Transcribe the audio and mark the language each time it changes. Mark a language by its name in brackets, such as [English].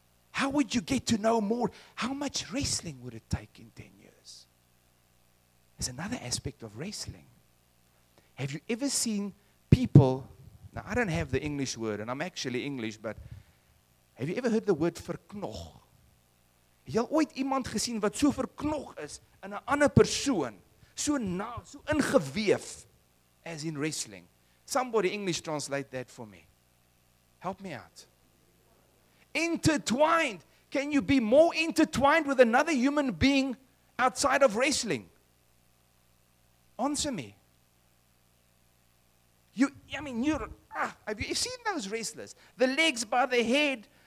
[English] How would you get to know more? How much wrestling would it take in 10 years? There's another aspect of wrestling. Have you ever seen people, now I don't have the English word, and I'm actually English, but have you ever heard the word verknog? [Afrikaans] Jy het ooit iemand gesien wat so verknog is in 'n ander persoon, so nou, so ingeweef, [English] as in wrestling. Somebody English translate that for me. Help me out. Intertwined. Can you be more intertwined with another human being outside of wrestling? Answer me. Have you seen those wrestlers? The legs by the head.